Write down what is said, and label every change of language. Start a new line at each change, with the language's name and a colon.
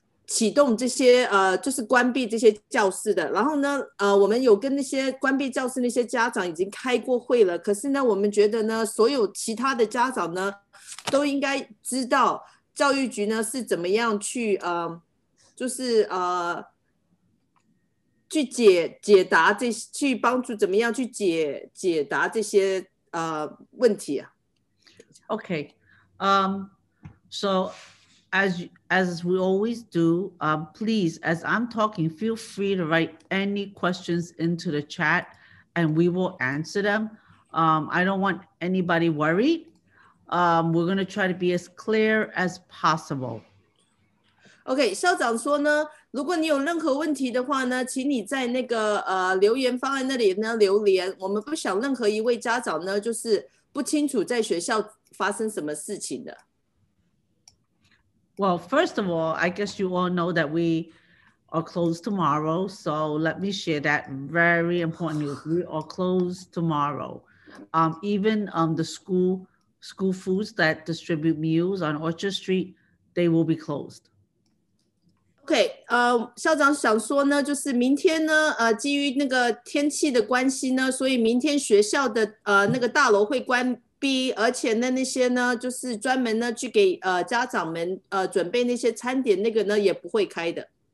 Chinese: 启动这些关闭这些教室的。然后呢，我们有跟那些关闭教室那些家长已经开过会了，可是呢，我们觉得呢，所有其他的家长呢，都应该知道教育局呢是怎么样去，就是去解答这些，去帮助怎么样去解答这些问题啊。
English: Okay, so as we always do, please, as I'm talking, feel free to write any questions into the chat and we will answer them. I don't want anybody worried. We're going to try to be as clear as possible.
Chinese: Okay, 校长说呢, 如果你有任何问题的话呢, 请你在那个, 留言方案那里呢留言, 我们不想任何一位家长呢, 就是不清楚在学校发生什么事情的。
English: Well, first of all, I guess you all know that we are closed tomorrow. So let me share that very important news. We are closed tomorrow. Even the school foods that distribute meals on Orchard Street, they will be closed.
Chinese: Okay, 校长想说呢，就是明天呢，基于那个天气的关系呢，所以明天学校的那个大楼会关。而且呢，那些呢，就是专门呢去给家长们准备那些餐点，那个呢也不会开的。